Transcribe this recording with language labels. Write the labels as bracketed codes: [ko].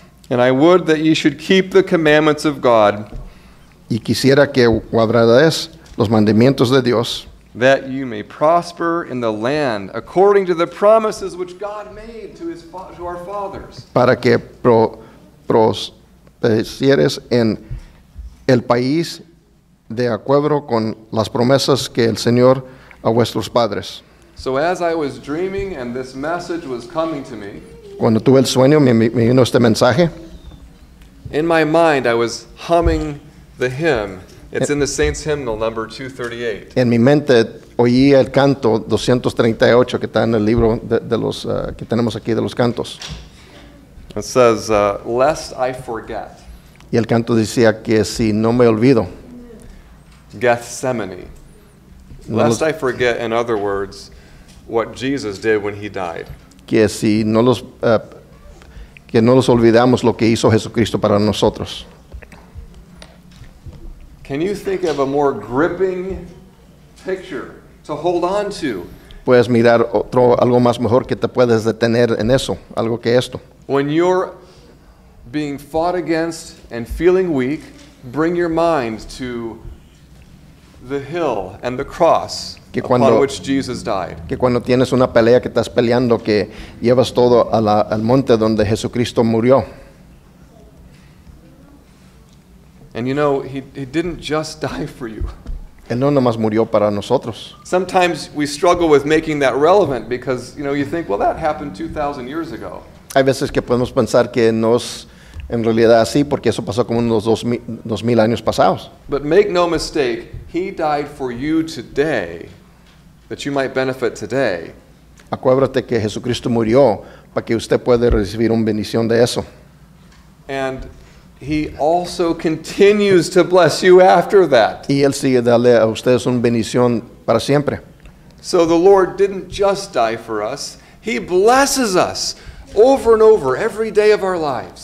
[en] And I would that ye should keep the commandments of God. [es] Y quisiera que guardaréis los mandamientos de Dios. [en] That you may prosper in the land according to the promises which God made to our fathers. [es] Para que prosperes en el país de acuerdo con las promesas que el Señor a vuestros padres. [en] So as I was dreaming and this message was coming to me, [es] cuando tuve el sueño, me vino este mensaje. [en] In my mind, I was humming the hymn. It's in the Saints Hymnal, number 238. [es] En mi mente, oí el canto 238 que está en el libro de los que tenemos aquí de los cantos. [en] It says, lest I forget. [es] Y el canto decía que si no me olvido. [en] Gethsemane. Lest I forget, in other words, what Jesus did when he died. [es] Que si no los que no los olvidamos lo que hizo Jesucristo para nosotros. [en] Can you think of a more gripping picture to hold on to? [es] Puedes mirar otro algo más mejor que te puedes detener en eso, algo que esto. [en] When you're being fought against and feeling weak, bring your mind to the hill and the cross. [es] Que cuando, [en] upon which Jesus died. [es] Que cuando tienes una pelea que estás peleando, que llevas todo a la, al monte donde Jesucristo murió. [en] And you know, he didn't just die for you. [es] Él no nomás murió para nosotros. [en] Sometimes we struggle with making that relevant because, you know, you think, well, that happened 2,000 years ago. [es] Hay veces que podemos pensar que no es en realidad así porque eso pasó como unos 2,000 años pasados. [en] But make no mistake, he died for you today, that you might benefit today. [es] Acuérdate que Jesucristo murió para que usted pueda recibir una bendición de eso. [en] And he also continues to bless you after that. [es] Y él sigue dándole a ustedes una bendición para siempre. [en] So the Lord didn't just die for us, he blesses us over and over, every day of our lives.